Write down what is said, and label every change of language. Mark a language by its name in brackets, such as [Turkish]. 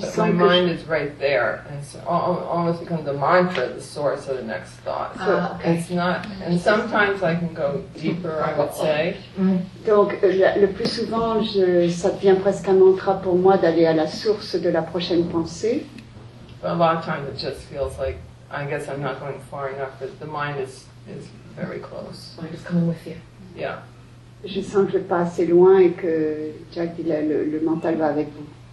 [French] semble que [English] my mind is right there, and so almost becomes the mantra, the source of the next thought. So okay. It's not. And sometimes I can go deeper. I would say. [French] Donc le plus souvent, ça devient presque un mantra pour moi d'aller à la source de la prochaine pensée. [English] But a lot of times, it just feels like I guess I'm not going far enough. But the mind is very close. Mind is coming with you. Yeah. [French] Je sens que je ne vais pas assez loin et que Jack dit le mental va avec vous.